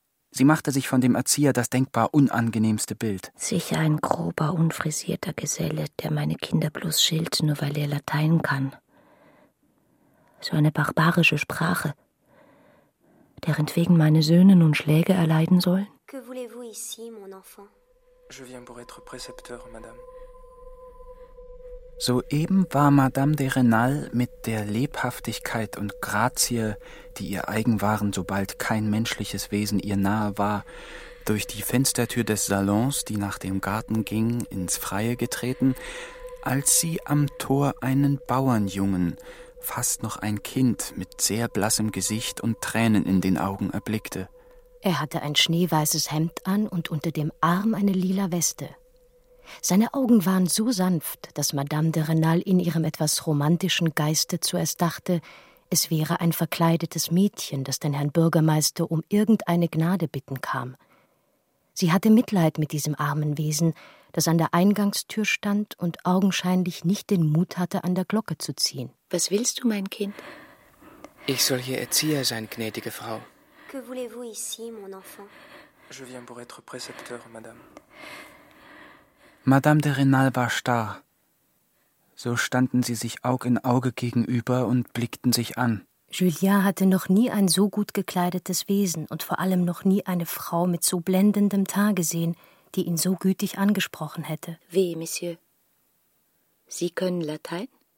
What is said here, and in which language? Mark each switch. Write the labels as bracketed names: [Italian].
[German] Sie machte sich von dem Erzieher das denkbar unangenehmste Bild. Sicher ein grober, unfrisierter Geselle, der meine Kinder bloß schilt, nur weil er Latein kann. So eine barbarische Sprache, deren wegen meine Söhne nun Schläge erleiden sollen. [French] Que voulez-vous ici, mon enfant? Je viens pour être précepteur, madame. [German] Soeben war Madame de Renal mit der Lebhaftigkeit und Grazie, die ihr eigen waren, sobald kein menschliches Wesen ihr nahe war, durch die Fenstertür des Salons, die nach dem Garten ging, ins Freie getreten, als sie am Tor einen Bauernjungen, fast noch ein Kind, mit sehr blassem Gesicht und Tränen in den Augen erblickte. Er hatte ein schneeweißes Hemd an und unter dem Arm eine lila Weste. Seine Augen waren so sanft, dass Madame de Renal in ihrem etwas romantischen Geiste zuerst dachte, es wäre ein verkleidetes Mädchen, das den Herrn Bürgermeister um irgendeine Gnade bitten kam. Sie hatte Mitleid mit diesem armen Wesen, das an der Eingangstür stand und augenscheinlich nicht den Mut hatte, an der Glocke zu ziehen. Was willst du, mein Kind? Ich soll hier Erzieher sein, gnädige Frau. [French] Que voulez-vous ici, mon enfant? Je viens pour être précepteur, madame. [German] Madame de Renal war starr. So standen sie sich Aug in Auge gegenüber und blickten sich an. Julien hatte noch nie ein so gut gekleidetes Wesen und vor allem noch nie eine Frau mit so blendendem Teint gesehen, die ihn so gütig angesprochen hätte. Wie, Monsieur? Sie können Latein?